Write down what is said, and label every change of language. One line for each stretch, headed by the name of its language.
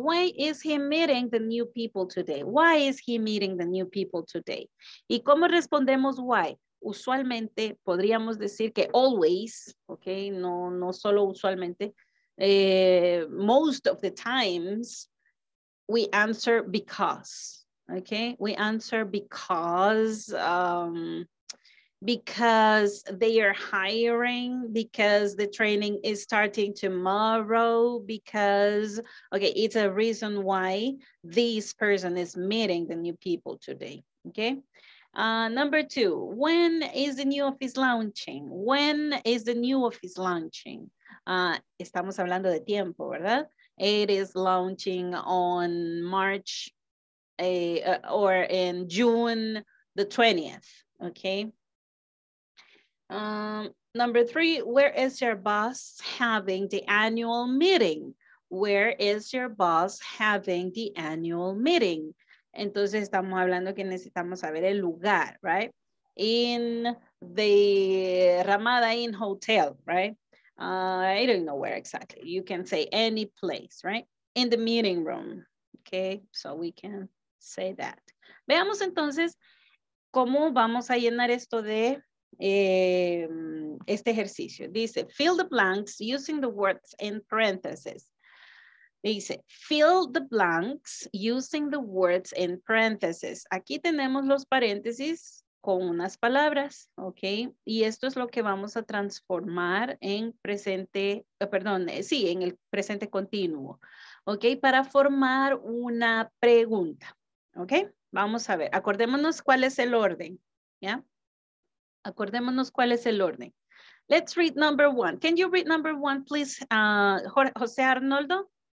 English: Why is he meeting the new people today? Why is he meeting the new people today?
Spanish: ¿Y cómo respondemos why? Usualmente podríamos decir que always, ok, no solo usualmente.
English: Most of the times we answer because, ok. We answer because because they are hiring, because the training is starting tomorrow, because, okay, it's a reason why this person is meeting the new people today, okay? Number two, when is the new office launching? When is the new office launching?
Spanish: Estamos hablando de tiempo, ¿verdad?
English: It is launching on March or in June the 20th, okay? Number three, where is your boss having the annual meeting? Where is your boss having the annual meeting?
Spanish: Entonces estamos hablando que necesitamos saber el lugar, right?
English: In the Ramada Inn Hotel, right? I don't know where exactly. You can say any place, right? In the meeting room, okay? So we can say that.
Spanish: Veamos entonces cómo vamos a llenar esto de este ejercicio. Dice,
English: fill the blanks using the words in parentheses. Dice, fill the blanks using the words in parentheses.
Spanish: Aquí tenemos los paréntesis con unas palabras, ¿ok? Y esto es lo que vamos a transformar en presente, perdón, sí, en el presente continuo, ¿ok? Para formar una pregunta, ¿ok? Vamos a ver, acordémonos cuál es el orden, ¿ya? Acordémonos cuál es el orden.
English: Let's read number one. Can you read number one, please, José Arnoldo?